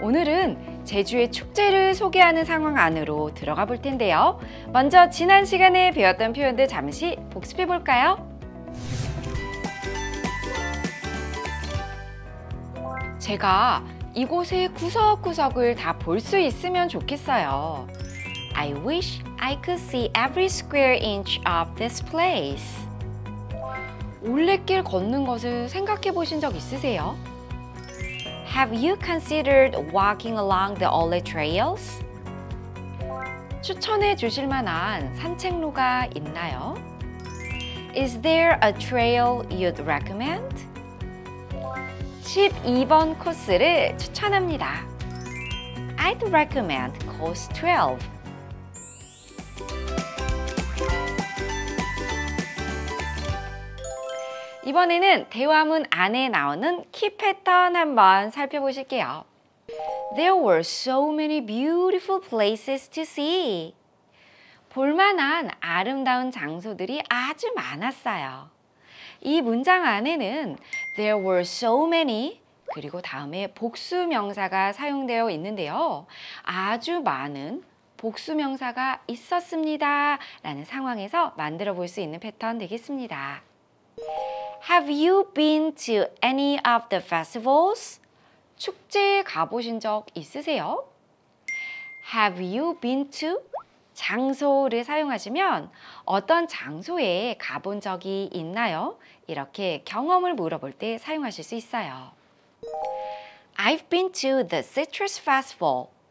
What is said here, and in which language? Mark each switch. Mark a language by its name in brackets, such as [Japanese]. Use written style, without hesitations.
[Korean] 오늘은 제주의 축제를 소개하는 상황 안으로 들어가 볼 텐데요. 먼저 지난 시간에 배웠던 표현들 잠시 복습해 볼까요? 제가 이곳의 구석구석을 다 볼 수 있으면 좋겠어요. [English] I wish I could see every square inch of this place. [Korean] 올레길 걷는 것을 생각해 보신 적 있으세요? [English] Have you considered walking along the Olle trails? [Korean] 추천해 주실 만한 산책로가 있나요? [English] Is there a trail you'd recommend? [Korean] 12번 코스를 추천합니다. [English] I'd recommend course 12. [Korean] 이번에는 대화문 안에 나오는 키 패턴 한번 살펴보실게요. [English] There were so many beautiful places to see. [Korean] 볼만한 아름다운 장소들이 아주 많았어요. 이 문장 안에는 [English] There were so many [Korean] 그리고 다음에 복수명사가 사용되어 있는데요. 아주 많은 복수명사가 있었습니다. 라는 상황에서 만들어 볼 수 있는 패턴 되겠습니다. [English] Have you been to any of the festivals? [Korean] 축제에 가보신 적 있으세요? [English] Have you been to? [Korean] 장소를 사용하시면 어떤 장소에 가본 적이 있나요? 이렇게 경험을 물어볼 때 사용하실 수 있어요. [English] I've been to the citrus festival.